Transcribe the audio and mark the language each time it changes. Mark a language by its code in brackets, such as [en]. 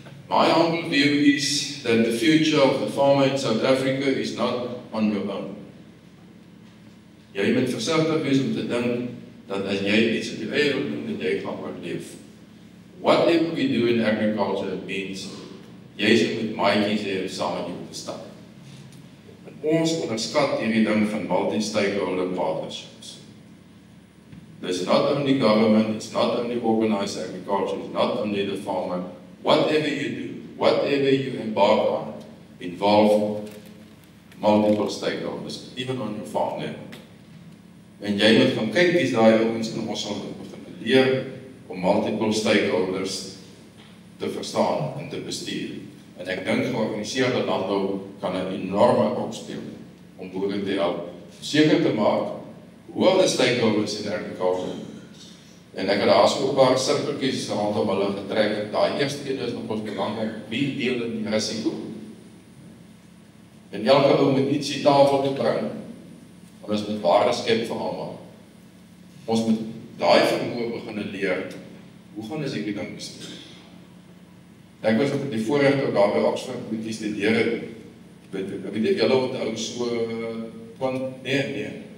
[en] My humble view is that the future of the farmer in South Africa is not on your own. [af] Jy moet versigtig wees om te dink dat as jy iets op jou eie wil doen, dat jy gaan oorleef. [en] Whatever we do in agriculture means [af] jy moet maatjies hê om saam met jou te stap. En ons onderskat hierdie ding van multi-stakeholder partnerships. [en] It's not only government, it's not only organized agriculture, it's not only the farmer. Whatever you do, whatever you embark on, involve multiple stakeholders, even on your farm level. [af] En jy moet gaan kyk wie's daai ouens en ons sal begin leer om multiple stakeholders te verstaan en te bestuur. En ek dink georganiseerde landbou kan 'n enorme rol speel om boere te help seker te maak hoe al die stakeholders in agriculture. En ek het daarsoop 'n paar sirkeltjies rondom hulle getrek. Daai eerste een is nog ons belangrik, wie deel in die risiko? En elke ou moet ietsie tafel toe bring. Ons moet waarde skep vir almal. Ons moet daai vermoë begin leer. Hoe gaan ons hierdie ding bestuur? Dink ons op die voorreg toe daar by Oxford moet jy studeer. Ek weet julle het ou so van nee.